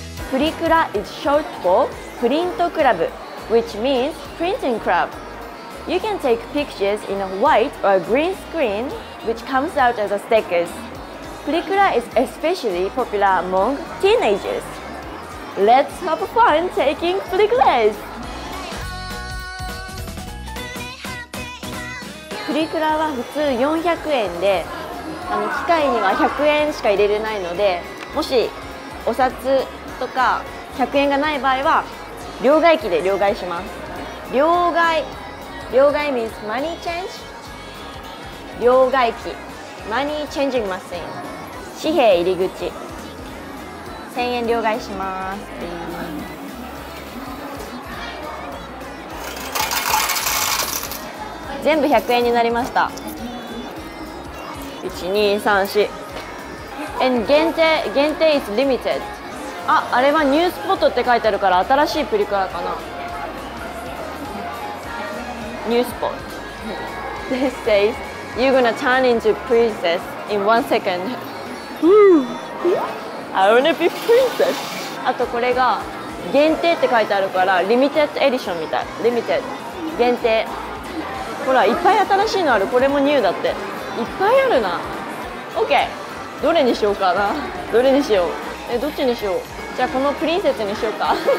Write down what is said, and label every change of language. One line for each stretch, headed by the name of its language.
English: プリクラ is short for プリントクラブ which means printing club。 You can take pictures in a white or green screen which comes out as a stickers。プリクラ is especially popular among teenagers. Let's have fun taking プリクラ!
Japanese: プリクラは普通400円で、機械には100円しか入れれないので、もしお札とか100円がない場合は、両替機で両替します。
English: 両替 means money change. 両替機、money changing machine.
Japanese: 紙幣入り口、1000円両替します。全部100円になりました。
English: 1234 and 限定 is limited。
Japanese: あれはニュースポットって書いてあるから新しいプリクラかな。
English: ニュースポット This says you're gonna turn into princess in one secondI wanna be princess.
Japanese: あとこれが限定って書いてあるからリミテッドエディションみたい。リミテッド限定。ほらいっぱい新しいのある。これもニューだって。いっぱいあるな。OK。 どれにしようかな。どれにしよう。どっちにしよう。じゃあこのプリンセスにしようか。